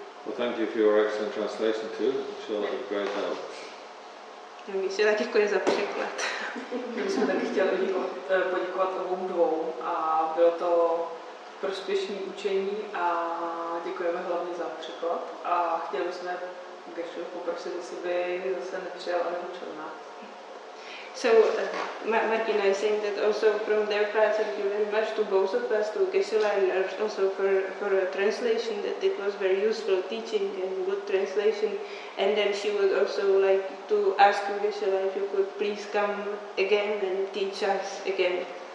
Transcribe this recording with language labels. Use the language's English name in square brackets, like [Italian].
[English] Well, thank you for your excellent translation too. I'm sure that was great help. [Czech] Geshe-la, děkuji za překlad. My jsme taky chtěli poděkovat obou dvou a bylo to prospěšné učení a děkujeme hlavně za překlad a chtěli jsme Geshe-la poprosit, jestli by zase nepřijal a neučil nás. [English] So Martina is saying that also from their part, thank you very much to both of us, to Geshe-la and Arsh, also for a translation, that it was very useful teaching and good translation. And then she would also like to ask you, Geshe-la, if you could please come again and teach us again.